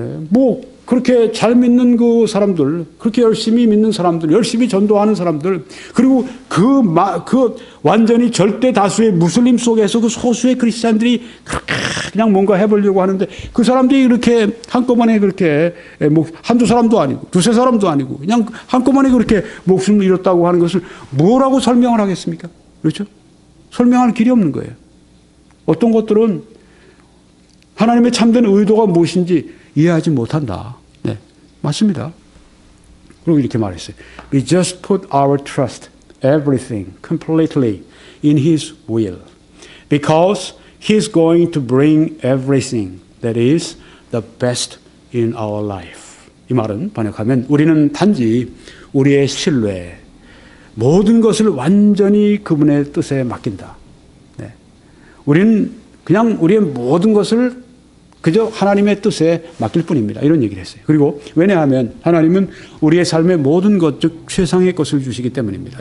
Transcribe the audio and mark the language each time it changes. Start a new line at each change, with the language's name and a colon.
Korean: 뭐 그렇게 잘 믿는 그 사람들, 그렇게 열심히 믿는 사람들, 열심히 전도하는 사람들, 그리고 그 완전히 절대 다수의 무슬림 속에서 그 소수의 크리스찬들이 그냥 뭔가 해보려고 하는데 그 사람들이 이렇게 한꺼번에 그렇게 뭐 한두 사람도 아니고 두세 사람도 아니고 그냥 한꺼번에 그렇게 목숨을 잃었다고 하는 것을 뭐라고 설명을 하겠습니까? 그렇죠? 설명할 길이 없는 거예요. 어떤 것들은 하나님의 참된 의도가 무엇인지 이해하지 못한다. 네. 맞습니다. 그리고 이렇게 말했어요.
English: We just put our trust, everything, completely in His will. Because He's going to bring everything that is the best in our life.
Korean: 이 말은 번역하면 우리는 단지 우리의 신뢰, 모든 것을 완전히 그분의 뜻에 맡긴다. 네. 우리는 그냥 우리의 모든 것을 그저 하나님의 뜻에 맡길 뿐입니다. 이런 얘기를 했어요. 그리고 왜냐하면 하나님은 우리의 삶의 모든 것, 즉 최상의 것을 주시기 때문입니다.